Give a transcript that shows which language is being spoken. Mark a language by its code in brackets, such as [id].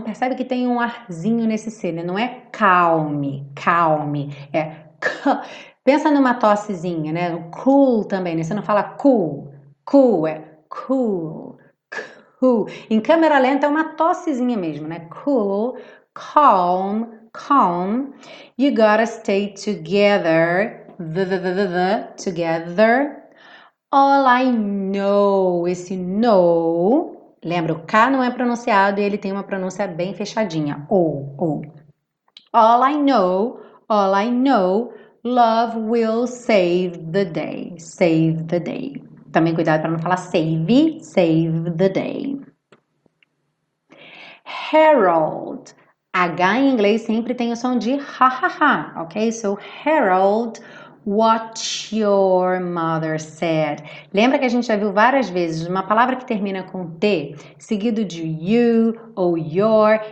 [pt] Percebe que tem um arzinho nesse C, né? Não é calme. Calme. É pensa numa tossezinha, né? O cool também, né? Você não fala cool. Cool é cool. Cool. Em câmera lenta é uma tossezinha mesmo, né? [en] Cool. Calm. Calm. You gotta stay together. Together. All I know. [pt] Esse no. Lembra, o K não é pronunciado e ele tem uma pronúncia bem fechadinha. [en] O. All I know. All I know. Love will save the day. Save the day. [pt] Também cuidado para não falar save. [en] Save the day. [pt] Harold. H em inglês sempre tem o som de ha-ha-ha. [en] Ok? So, Harold, what your mother said. [pt] Lembra que a gente já viu várias vezes uma palavra que termina com T, seguido de you ou your.